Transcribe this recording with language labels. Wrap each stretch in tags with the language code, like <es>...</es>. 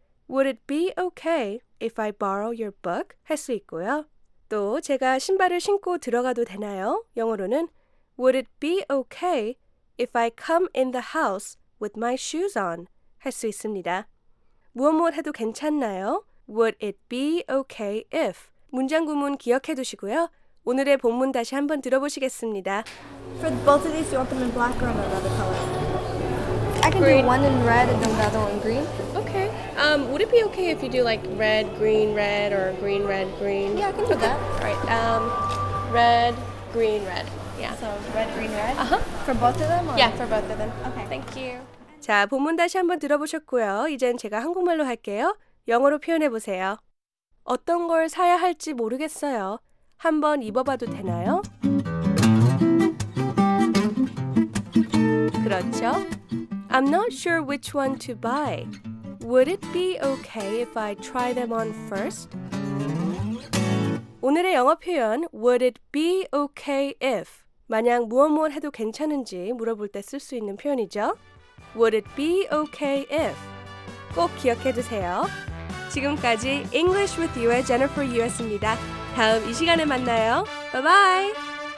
<en>Would it be okay if I borrow your book?</en> <ko>할 수 있고요. 또 제가 신발을 신고 들어가도 되나요? 영어로는</ko> <en>Would it be okay if I come in the house with my shoes on?</en> <ko>할 수 있습니다. 무엇 무엇 해도 괜찮나요?</ko> <en>Would it be okay if?</en> <ko>문장 구문 기억해 두시고요. 오늘의 본문 다시 한번 들어보시겠습니다.</ko> <en>For both of these, do you want them in black or in another color? I can green. Do one in red and then the other one green. Okay. Would it be okay if you do like red, green, red or green, red, green? Yeah, I can do okay. that. All right. Red, green, red. Yeah. So red, green, red? Uh-huh. For both of them? Or? Yeah, for both of them. Okay. Thank you.</en> <ko>자, 본문 다시 한번 들어보셨고요. 이젠 제가 한국말로 할게요. 영어로 표현해 보세요. 어떤 걸 사야 할지 모르겠어요. 한번 입어봐도 되나요? 그렇죠?</ko> <en>I'm not sure which one to buy. Would it be okay if I try them on first?</en> <ko>오늘의 영어 표현,</ko> <en>would it be okay if?</en> <ko>만약 무엇무엇 해도 괜찮은지 물어볼 때 쓸 수 있는 표현이죠.</ko> <en>Would it be okay if?</en> <ko>꼭 기억해 두세요. 지금까지 English with You의 Jennifer U.S.입니다. 다음 이 시간에 만나요. Bye-bye!</ko>